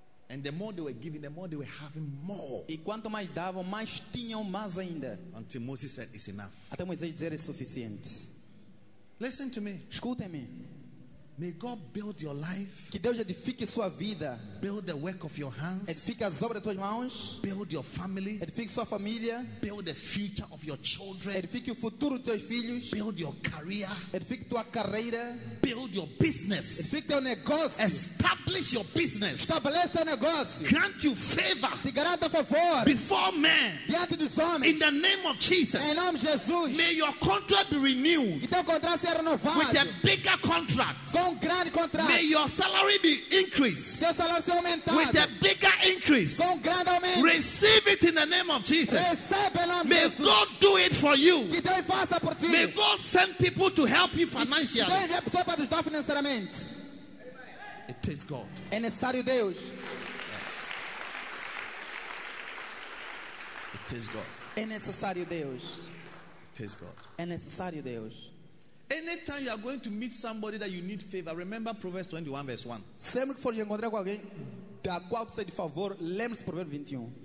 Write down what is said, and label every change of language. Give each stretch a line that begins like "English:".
English: And the more they were giving, the more they were having more.
Portuguese: E quanto mais davam, mais tinham mais ainda.
English: Until Moses said, "It's enough."
Portuguese: Até Moisés dizer, é suficiente.
English: Listen to me.
Portuguese: Escutem-me.
English: May God build your life.
Portuguese: Que Deus edifique sua vida.
English: Build the work of your hands.
Portuguese: Edifique as obras de tuas mãos.
English: Build your family.
Portuguese: Edifique sua família.
English: Build the future of your children.
Portuguese: Edifique o futuro dos teus filhos.
English: Build your career.
Portuguese: Edifique tua carreira.
English: Build your business.
Portuguese: Edifique teu negócio.
English: Establish your business.
Portuguese: Estabelece teu negócio.
English: Grant you favor.
Portuguese: Te garanta favor.
English: Before men.
Portuguese: Diante dos homens.
English: In the name of Jesus.
Portuguese: Em nome de Jesus.
English: May your contract be renewed.
Portuguese: Que teu contrato seja renovado.
English: With a bigger contract.
Portuguese: Com grande contrato.
English: May your salary be increased.
Portuguese: Seu salário seja aumentado.
English: With a bigger increase.
Portuguese: Com grande aumento.
English: Receive it in the name of Jesus.
Portuguese: Receba em nome de Jesus.
English: May God do it for you.
Portuguese: Que Deus faça por ti.
English: May God send people to help you financially.
Portuguese: Que Deus envie pessoas para te ajudar financeiramente.
English: It is God.
Portuguese: É necessário Deus.
English: Yes. It is God.
Portuguese: É necessário Deus.
English: It is God.
Portuguese: É necessário Deus.
English: Anytime you are going to meet somebody that you need favor, remember Proverbs 21 verse 1.
Portuguese: Sempre que for encontrar com alguém da qual precisa de favor, lembre-se Proverbs 21.